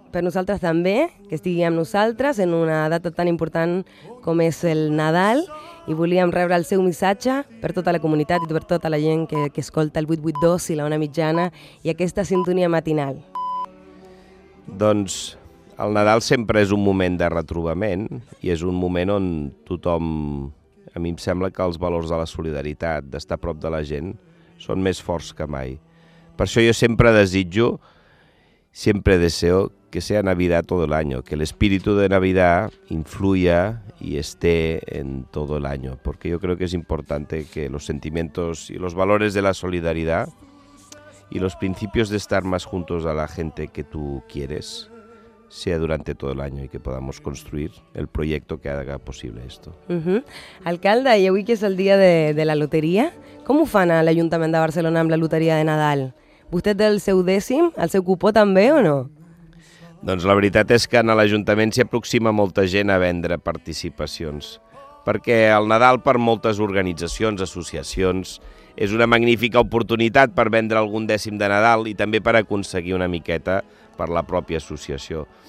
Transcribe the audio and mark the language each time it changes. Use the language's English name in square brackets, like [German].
[Catalan] Per nosaltres també, que estigui amb nosaltres en una data tan important com és el Nadal i volíem rebre el seu missatge per tota la comunitat i per tota la gent que escolta el 882 i la Ona Mitjana i aquesta sintonia matinal. Doncs el Nadal sempre és un moment de retrobament i és un moment on tothom, a mi em sembla que els valors de la solidaritat, d'estar a prop de la gent, són més forts que mai. Per això jo sempre desitjo, [Spanish] sempre deseo que sea Navidad todo el año, que el espíritu de Navidad influya y esté en todo el año, porque yo creo que es importante que los sentimientos y los valores de la solidaridad y los principios de estar más juntos a la gente que tú quieres sea durante todo el año y que podamos construir el proyecto que haga posible esto. Alcalde, y hoy que es el día de la lotería, ¿cómo fan el Ayuntamiento de Barcelona [Catalan] amb la lotería de Nadal? [Spanish] ¿Usted [Catalan] té el seu dècim, el seu cupó també o no? Doncs la veritat és que a l'Ajuntament s'hi aproxima molta gent a vendre participacions, perquè el Nadal per moltes organitzacions, associacions, és una magnífica oportunitat per vendre algun dècim de Nadal i també per aconseguir una miqueta per la pròpia associació.